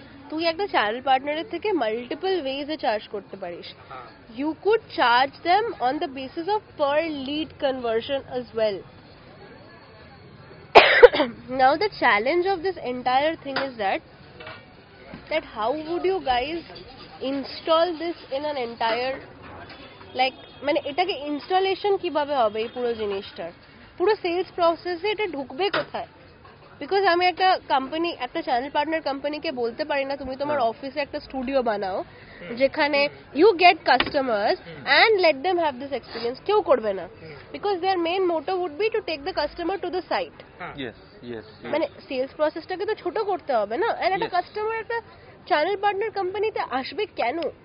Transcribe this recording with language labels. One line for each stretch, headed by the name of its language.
Bangla: তুই একটা চ্যানেল পার্টনারের থেকে মাল্টিপল ওয়েজ এ চার্জ করতে পারিস,
English: You could charge them on the basis of per lead conversion as well. Now the challenge of this entire thing is that how would you guys install this in an entire, like,
Bangla: মানে এটাকে installation কিভাবে হবে এই পুরো জিনিসটার, পুরো sales প্রসেসে এটা ঢুকবে কোথায়? বিকজ আমি একটা কোম্পানি, একটা চ্যানেল পার্টনার কোম্পানিকে বলতে পারি না তুমি তোমার অফিসে একটা স্টুডিও বানাও যেখানে
English: you get customers and let them have this experience,
Bangla: কেউ করবে না,
English: Because their main motto would be to take the customer to the site.
Bangla: মানে সেলস প্রসেসটাকে তো ছোট করতে হবে না, অ্যান্ড একটা কাস্টমার একটা চ্যানেল পার্টনার কোম্পানিতে আসবে কেন?